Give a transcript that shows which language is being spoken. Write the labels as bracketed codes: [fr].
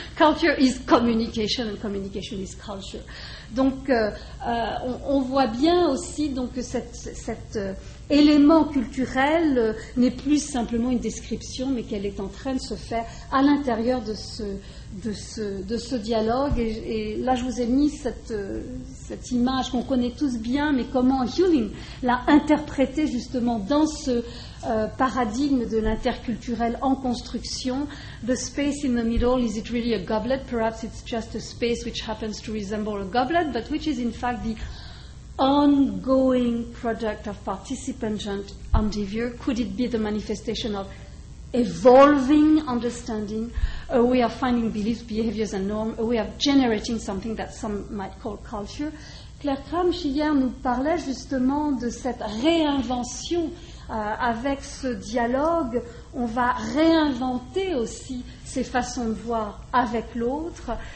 [en] Culture is communication, and communication is culture. [fr] Donc, on voit bien aussi donc, que cet élément culturel n'est plus simplement une description, mais qu'elle est en train de se faire à l'intérieur de ce dialogue. Et là, je vous ai mis cette image qu'on connaît tous bien, mais comment Hewling l'a interprétée justement dans ce paradigme de l'interculturel en construction. [en] The space in the middle, is it really a goblet? Perhaps it's just a space which happens to resemble a goblet, but which is in fact the ongoing product of participant endeavor. Could it be the manifestation of evolving understanding, a way of finding beliefs, behaviors and norms, a way of generating something that some might call culture? [fr] Claire Kramsch hier nous parlait justement de cette réinvention. Avec ce dialogue, on va réinventer aussi ces façons de voir avec l'autre.